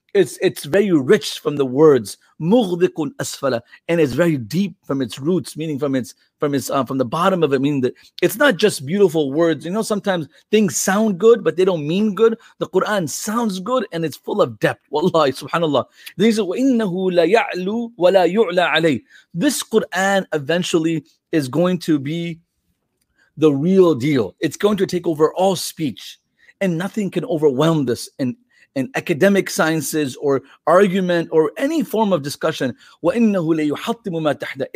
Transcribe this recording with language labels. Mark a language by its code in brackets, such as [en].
[en] it's very rich from the words [ar] مُغْذِقٌ أَسْفَلَ, [en] and it's very deep from its roots, meaning from the bottom of it, meaning that it's not just beautiful words. You know, sometimes things sound good, but they don't mean good. The Quran sounds good, and it's full of depth. Wallahi, subhanAllah. These are [ar] وَإِنَّهُ لَيَعْلُو وَلَا يُعْلَى عَلَيْهِ. [en] This Quran eventually is going to be the real deal. It's going to take over all speech, and nothing can overwhelm this in academic sciences or argument or any form of discussion. [ar] وَإِنَّهُ لَيُحَطِّمُ مَا تَحْدَى.